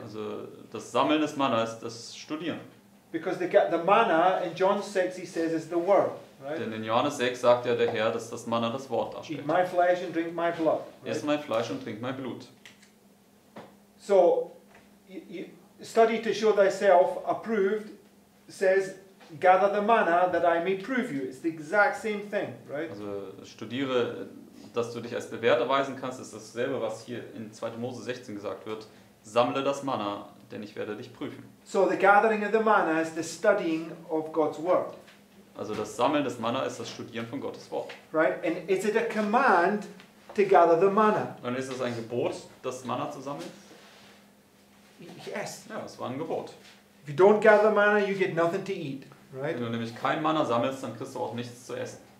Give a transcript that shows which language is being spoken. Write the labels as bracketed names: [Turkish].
[German] Also das Sammeln des Manna ist das Studieren. [English] Because the manna in John 6, he says, is the word. Right? [German] Denn in Johannes 6 sagt ja der Herr, dass das Manna das Wort darstellt. [English] Eat my flesh and drink my blood. Right? [German] Ess mein Fleisch und trink mein Blut. [English] So, you study to show thyself approved says, gather the manna that I may prove you. It's the exact same thing, right? [German] Also studiere, dass du dich als bewährt erweisen kannst, ist dasselbe, was hier in 2. Mose 16 gesagt wird. Sammle das Manna, denn ich werde dich prüfen. [English] So the gathering of the manna is the studying of God's word. [German] Also das Sammeln des Manna ist das Studieren von Gottes Wort. [English] Right? And is it a command to gather the manna? [German] Und ist es ein Gebot, das Manna zu sammeln? [English] Yes. [German] Ja, es war ein Gebot. [English] If you don't gather manna, you get nothing to eat. Right? [German] Wenn du nämlich kein Manna sammelst, dann kriegst du auch nichts zu essen.